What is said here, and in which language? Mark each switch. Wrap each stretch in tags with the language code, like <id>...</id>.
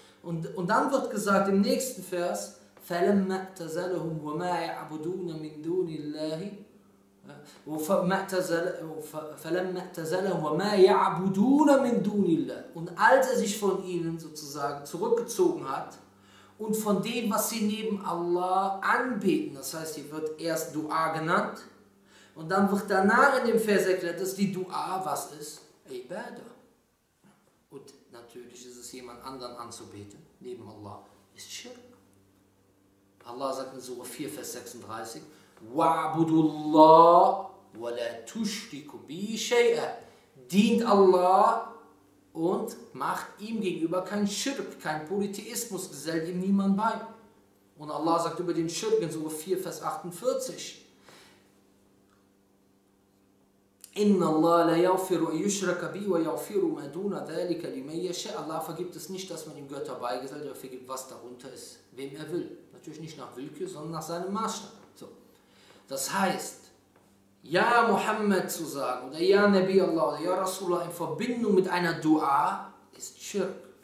<de>Und dann wird gesagt im nächsten Vers,</de> <ar>فَلَمَّا اَتَزَلَهُمْ وَمَا يَعْبُدُونَ مِنْ دُونِ اللَّهِ</ar> <de>Und als er sich von ihnen sozusagen zurückgezogen hat und von dem, was sie neben Allah anbeten, das heißt, hier wird erst Dua genannt und dann wird danach in dem Vers erklärt, dass die Dua was ist? Ibadah. Und natürlich ist es jemand anderen anzubeten, neben Allah, ist Schirk. Allah sagt in Surah 4, Vers 36,</de> <ar>وَعْبُدُ اللَّهِ وَلَا تُشْرِكُ بِهِ شَيْئًا.</ar> <de>Dient Allah und macht ihm gegenüber kein Schirk, kein Polytheismus, gesellt ihm niemand bei. Und Allah sagt über den Schirk in Surah 4, Vers 48,</de> <ar>إِنَّ اللَّهَ لَيَغْفِرُ أَيُشْرَكَ بِهِ وَيَغْفِرُ مَا دُونَ ذَلِكَ لِمَنْ يَشَاءُ.</ar> <de>Allah vergibt es nicht, dass man ihm Götter beigesellt, er vergibt, was darunter ist, wem er will. Natürlich nicht nach Willkür, sondern nach seinem Maßstab. Das heißt, ja Muhammad zu sagen, oder ja Nabi Allah, oder ja Rasulullah, in Verbindung mit einer Dua, ist Schirk.</de>